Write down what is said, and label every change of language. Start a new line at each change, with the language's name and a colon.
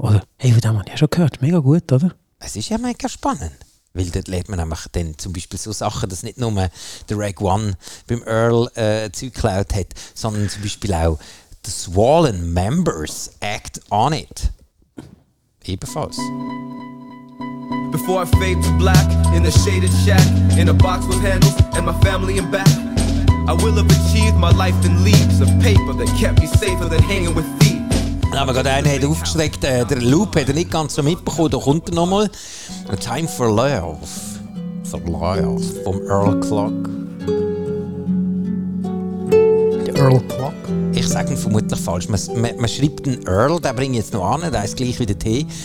German: Oder, hey, von dem habe ich ja schon gehört. Mega gut, oder? Es ist ja mega spannend. Weil dort lernt man nämlich dann zum Beispiel so Sachen, dass nicht nur der Rag One beim Earl Zeug geklaut hat, sondern zum Beispiel auch The Swollen Members Act On It. Ebenfalls.
English: Before I fade to black in a shaded shack in a box with handles and my family in back I will have achieved my life in leaves of paper that kept me safer than hanging with thieves.
German: Ja, aber gerade einen hat aufgeschreckt, der Loop hat er nicht ganz so mitbekommen, da kommt er nochmal. A Time for Love. For Love. Vom Earl Clark. Der Earl Clark? Ich sage ihn vermutlich falsch. Man schreibt einen Earl, den bringe ich jetzt noch an, der ist gleich wie der T.